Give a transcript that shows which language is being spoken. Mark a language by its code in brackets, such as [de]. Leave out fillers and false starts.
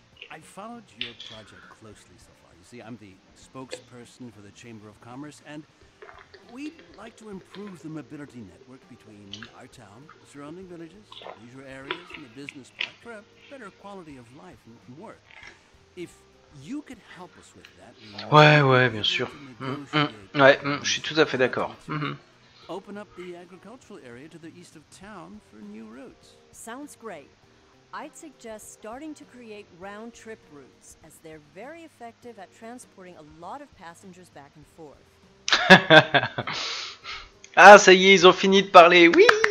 [en] I followed your project closely so far. You see, I'm the spokesperson for the Chamber of Commerce, and we'd like to improve the mobility network between our town, the surrounding villages, leisure areas, and the business park for a better quality of life and work. If you could help us with that, [fr] ouais, bien sûr. Je suis tout à fait d'accord. [en] Open up the agricultural area to the east of town for new routes. Sounds great. I'd suggest starting to create round-trip routes, as they're very effective at transporting a lot of passengers back and forth. [fr] Ah, ça y est, ils ont fini de parler. Oui.